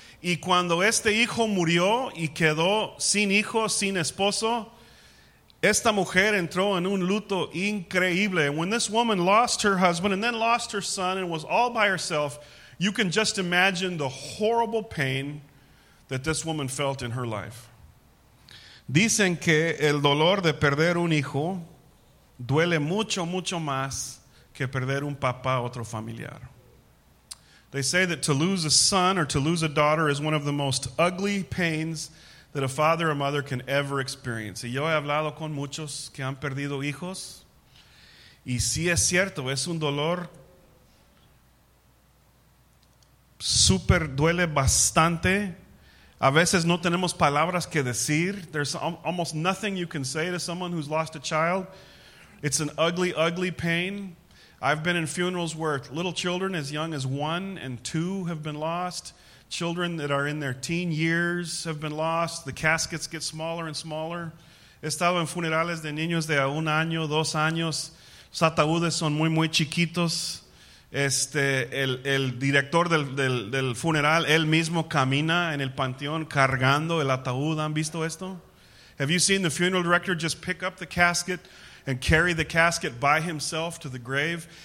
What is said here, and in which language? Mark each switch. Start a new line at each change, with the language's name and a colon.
Spanish: Y cuando este hijo murió y quedó sin hijo, sin esposo, esta mujer entró en un luto increíble.
English: When this woman lost her husband and then lost her son and was all by herself, you can just imagine the horrible pain that this woman felt in her life.
Spanish: Dicen que el dolor de perder un hijo duele mucho, mucho más que perder un papá o otro familiar.
English: They say that to lose a son or to lose a daughter is one of the most ugly pains that a father or mother can ever experience.
Spanish: Y yo he hablado con muchos que han perdido hijos. Y sí es cierto, es un dolor súper, duele bastante. A veces no tenemos palabras que decir.
English: There's almost nothing you can say to someone who's lost a child. It's an ugly, ugly pain. I've been in funerals where little children as young as 1 and 2 have been lost. Children that are in their teen years have been lost. The caskets get smaller and smaller.
Spanish: He estado en funerales de niños de 1 año, 2 años. Los ataúdes son muy, muy chiquitos. El director del funeral, él mismo camina en el panteón cargando el ataúd. ¿Han visto esto?
English: Have you seen the funeral director just pick up the casket and carry the casket by himself to the grave?